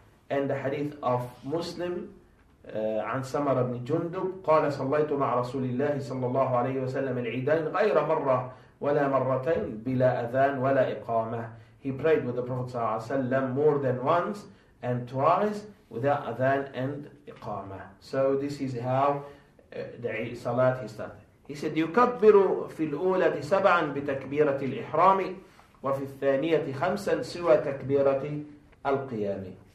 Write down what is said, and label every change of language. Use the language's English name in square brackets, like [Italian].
[English] And the hadith of Muslim [Arabic] عن سمر بن جندب قال صليت مع رسول الله صلى الله عليه وسلم العيدين غير مرة ولا مرتين بلا أذان ولا إقامة. [English] He prayed with the Prophet [Arabic] صلى الله عليه وسلم [English] more than once and twice without أذان and إقامة. So this is how the salat he started. He said [Arabic] يكبر في الأولى سبعا بتكبيرة الإحرام وفي الثانية خمسا سوى تكبيرة القيام.